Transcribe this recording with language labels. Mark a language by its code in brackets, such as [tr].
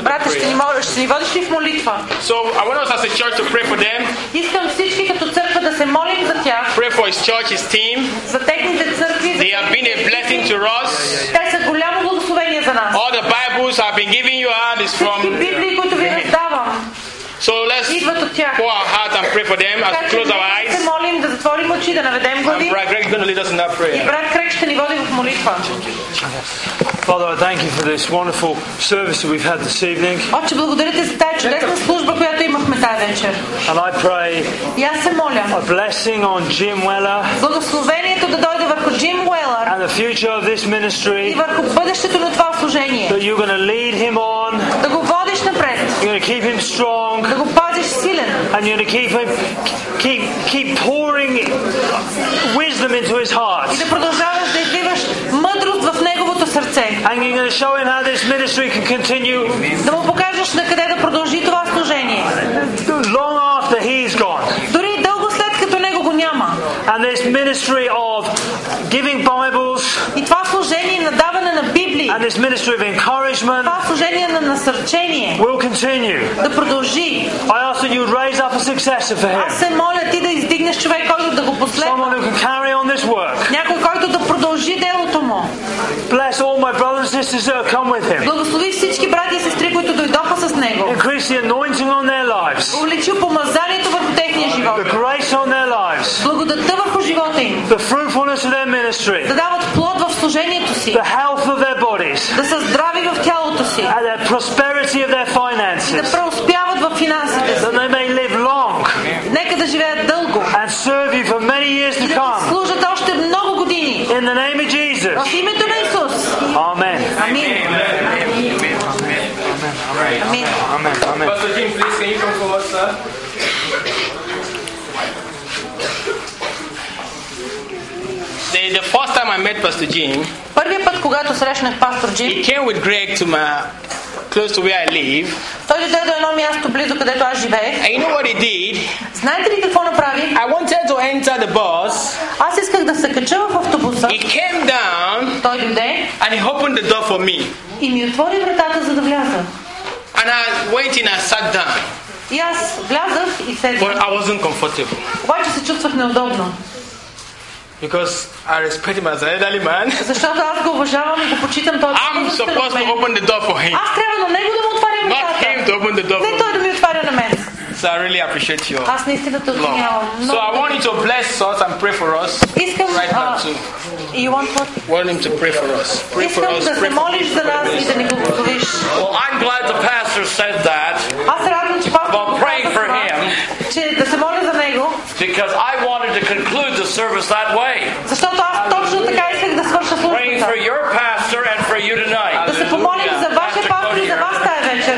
[bg] Брат, ще ни водиш ли в молитва? [en] So I want us as a church to pray for them. [bg] Искам всички като църква да се молим за тях. [en] Pray for his church, his team. [bg] За техните църкви. [en] They have been a blessing to us. [bg] Те са голямо благословение за нас. [en] All the Bibles I've been giving you out is from [bg] Библии, които ви раздавам. [en] So let's pour our heart and pray for them as we close our eyes. [bg] Молим да затворим очи, да наведем глави. [en] Brother Greg is going to lead us in that prayer. [bg] И брат Крек ще ни води в молитва. [en] Father, I thank you for this wonderful service that we've had this evening. [bg] Отче, благодаря ти за тази чудесна служба, която имахме тази вечер. [en] And I pray. [bg] Я се моля. [en] A blessing on Jim Weller. [bg] Благословението да дойде върху Jim Weller. [en] And the future of this ministry. [bg] И върху бъдещето на това служение. [en] That you're going to lead him on. [bg] Да го водиш напред. [en] You're going to keep him strong. [bg] Да го пазиш силен. [en] And you're going to keep pouring wisdom into his heart. [bg] И да продължаваш да изливаш мъдрост в неговото сърце. [en] And you're going to show him how this ministry can continue. [bg] Да му покажеш на къде да продължи това служение. [en] Long after he's gone. [bg] Дори дълго след като него го няма. [en] And this ministry of giving Bibles. [bg] И това служение на даване на Библии. [en] And this ministry of encouragement. [bg] Това служение на насърчение. [en] Will continue. [bg] Да продължи. [en] I ask that you raise up a successor for him. [bg] Аз се моля ти да издигнеш човек, който да го последва. [en] Someone who can carry on this work. [bg] Някой, който да продължи делото му. [en] Bless all my brothers and sisters that have come with him. [bg] Благослови всички брати и сестри, които дойдоха с него. [en] Increase the anointing on their lives. [bg] Увеличи помазанието върху техния живот. [en] The grace on their lives. [bg] Благодатта върху живота им. [en] The fruitfulness of their ministry. [bg] Да дават плод в служението си. [en] The health of their bodies. [bg] Да са здрави в тялото си. [en] And the prosperity of their finances. [bg] И да преуспяват в финансите си. [en] That they may live long. [bg] Нека да живеят дълго. [en] And serve you for many years to come. [bg] И да служат още много години. [en] In the name of Jesus. [bg] В името на Исус. [en] Amen. Amen. Amen. Amen. Amen. Amen. Pastor Jim, please, can you come for us, sir? The first time I met Pastor Jim, [bg] първият път, когато срещнах пастор Джим, [en] he came with Greg to my close to where I live. [bg] Той дойде до едно място близо където аз живеех. [en] And you know what he did? [bg] Знаете ли какво направи? [en] I wanted to enter the bus. [bg] Аз исках да се кача в автобуса. [en] He came down. [bg] Той дойде. [en] And he opened the door for me. [bg] И ми отвори вратата за да вляза. [en] And I went in and sat down. [bg] И аз гледах и седнах. Обаче се чувствах неудобно. [en] Because I respect him as an elderly man. [bg] Защото аз го уважавам и го почитам този човек. [en] I'm supposed to open the door for him. [bg] Аз трябва на него да му отварям вратата. [en] Not him to open the door for me. [bg] Не той да ми отваря на мен. [en] So I really appreciate you. [bg] Аз наистина те оценявам. [en] So I want you to bless us and pray for us. [bg] Искам [en] right now too. You want what? Want him to pray for us. Pray for us. [bg] Искам да се молиш за нас и да ни благословиш. [en] Well, I'm glad the pastor said that. [bg] Аз радвам, че пастор. [en] But pray for him. [bg] Че да се моля за него. [en] Because I wanted to conclude the service that way. [bg] Защото аз точно така исках да свърша службата. [en] Praying for your pastor and for you tonight. [bg] Да се помолим за вашия пастор и за вас тази вечер.